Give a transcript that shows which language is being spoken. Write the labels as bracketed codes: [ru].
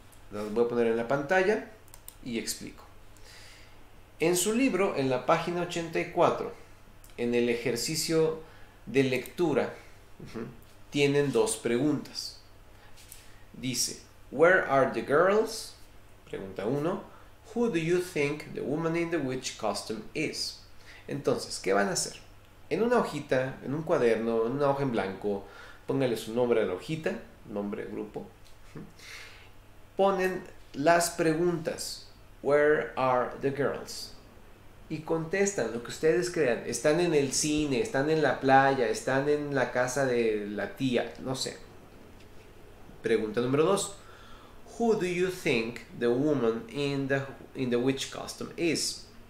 [es] Las voy a poner en la pantalla y explico. En su libro, en la página 84, en el ejercicio de lectura, tienen dos preguntas. Dice, [en] where are the girls? [es] Pregunta 1. [en] Who do you think the woman in the witch costume is? [es] Entonces, ¿qué van a hacer? En una hojita, en un cuaderno, en una hoja en blanco, póngale su nombre a la hojita, nombre de grupo. Ponen las preguntas. [en] Where are the girls? [es] Y contestan lo que ustedes crean. Están en el cine, están en la playa, están en la casa de la tía, no sé. Pregunta número 2. [en] Who do you think the woman in the witch costume is?